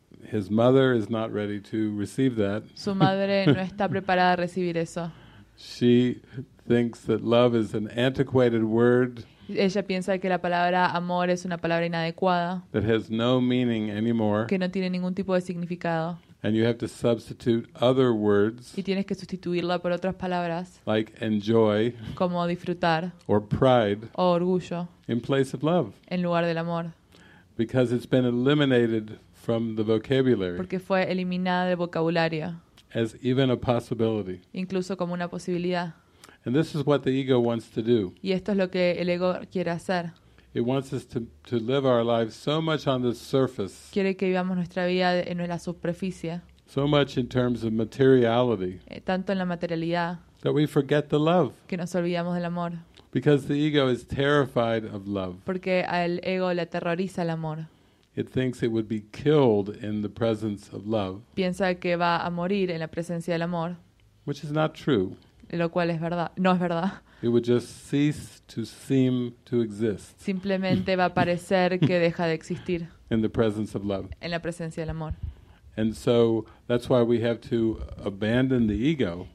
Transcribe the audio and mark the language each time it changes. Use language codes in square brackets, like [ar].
[en] His mother is not ready to receive that. [es] Su madre no está preparada a recibir eso. [en] She thinks that love is an antiquated word. [es] Ella piensa que la palabra amor es una palabra inadecuada. [en] That has no meaning anymore. [es] Que no tiene ningún tipo de significado. [en] And you have to substitute other words. [es] Y tienes que sustituirla por otras palabras. [en] Like enjoy. [es] Como disfrutar. [en] Or pride. [es] O orgullo. [en] In place of love. [es] En lugar del amor. [en] Because it's been eliminated from the vocabulary. [es] Porque fue eliminada del vocabulario. [en] As even a possibility. [es] Incluso como una posibilidad. [en] And this is what the ego wants to do. [es] Y esto es lo que el ego quiere hacer. [en] It wants us to live our lives so much on the surface. [es] Quiere que vivamos nuestra vida en la superficie. [en] So much in terms of materiality. [es] Tanto en la materialidad. [en] That we forget the love. [es] Que nos olvidamos del amor. [en] Because the ego is terrified of love. [es] Porque al ego le aterroriza el amor. [en] It thinks it would be killed in the presence of love. [es] Piensa que va a morir en la presencia del amor. [en] Which is not true. [es] Lo cual es verdad. No es verdad. [en] It would just cease to seem to exist. [es] Simplemente va a parecer que deja de existir. [en] In the presence of love. [es] En la presencia del amor. [en] And so that's why we have to abandon the ego.